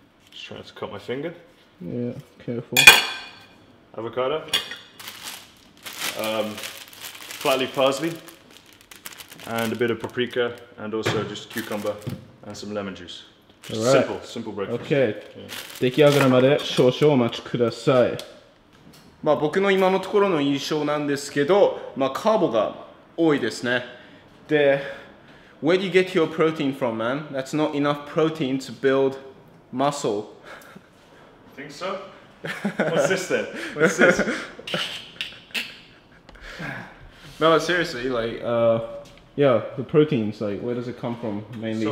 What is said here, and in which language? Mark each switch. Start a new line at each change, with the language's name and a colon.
English: Just trying to cut my finger. Yeah, careful. Avocado. flat leaf parsley and a bit of paprika and also just cucumber and some lemon juice. Right. Simple breakfast. Okay. Yeah.
Japanese: 出来上がるまで少々お待ちください。まあ僕の今のところの印象なんですけど、まあカーボが多いですね。
English: で、Where do you get your protein from, man? That's not enough protein to build muscle. Think so? What's this? No, but seriously, like, yeah, the proteins, like, where does it come from mainly?